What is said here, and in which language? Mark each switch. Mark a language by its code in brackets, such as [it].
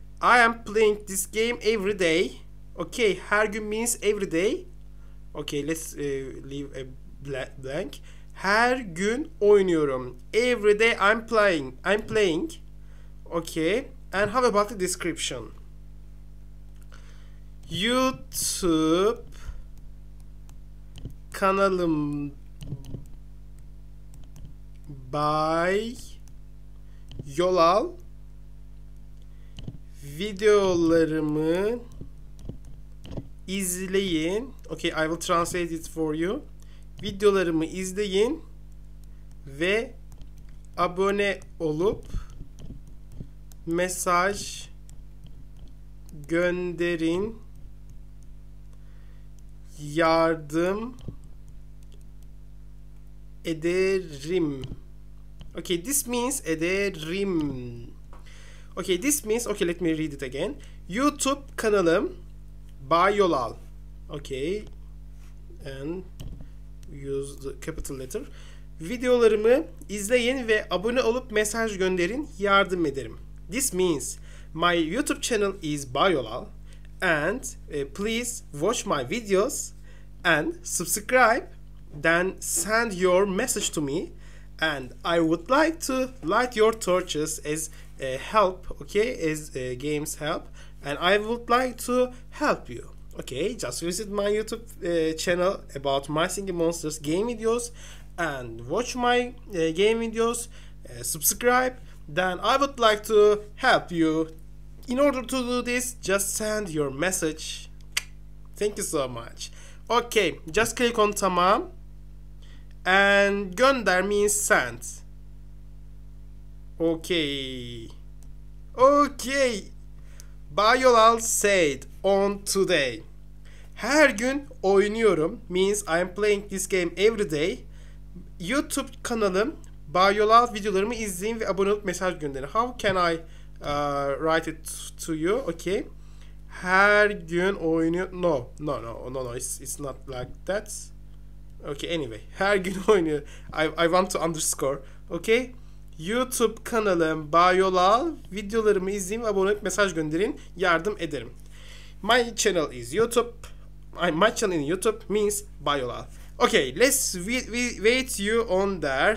[en] I am playing this game every day. Okay, [tr] her gün [en] means every day. Okay, let's leave a blank. [tr] Her gün oynuyorum. [en] Every day I'm playing. Okay, and how about the description? [tr] YouTube kanalım by Yolal videolarımı izleyin. [en] Okay, I will translate it for you. [tr] Videolarımı izleyin ve abone olup mesaj gönderin. Yardım ederim. [en] Okay, this means ederim. Okay, let me read it again. [tr] YouTube kanalım by Yolal. [en] Okay. And use the capital letter. [tr] Videolarımı izleyin ve abone olup mesaj gönderin, yardım ederim. [en] This means my YouTube channel is Yolal and please watch my videos and subscribe, then send your message to me and I would like to light your torches as help, okay, as games help, and I would like to help you. Okay, just visit my YouTube channel about My Singing Monsters game videos and watch my game videos, subscribe, then I would like to help you. In order to do this, just send your message. Thank you so much. Okay, just click on tamam. And gönder means send. Okay. Okay. Yolal said on today. [tr] Her gün oynuyorum [en] means I'm playing this game every day. [tr] YouTube kanalım Yolal videolarımı izleyin ve abone olup mesaj gönderin. [en] How can I write it to you? Okay. [tr] Her gün oynuyor. [en] No. It's not like that. Okay. Anyway, [tr] her gün oynuyor. [en] I want to underscore. Okay. [tr] YouTube kanalım Yolal videolarımı izleyin ve abone olup mesaj gönderin. Yardım ederim. [en] My channel is YouTube. My channel in YouTube means Yolal. Okay, let's wait you on there.